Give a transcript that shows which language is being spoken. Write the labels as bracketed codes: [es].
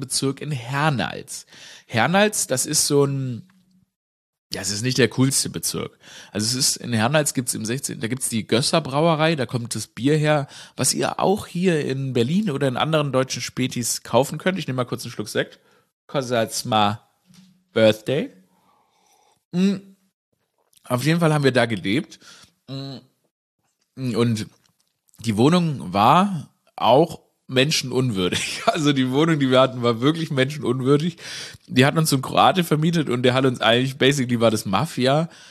[de] Bezirk in Hernals. Hernals, das ist so ein, das ist nicht der coolste Bezirk. Also es ist, in Hernals gibt's im 16., da gibt's die Gösser Brauerei, da kommt das Bier her, was ihr auch hier in Berlin oder in anderen deutschen Spätis kaufen könnt. Ich nehme mal kurz einen Schluck Sekt. [en] 'Cause that's my birthday. [de] Auf jeden Fall haben wir da gelebt. Und die Wohnung war auch menschenunwürdig. Also die Wohnung, die wir hatten, war wirklich menschenunwürdig. Die hat uns so ein Kroate vermietet und der hat uns eigentlich, basically war das Mafia.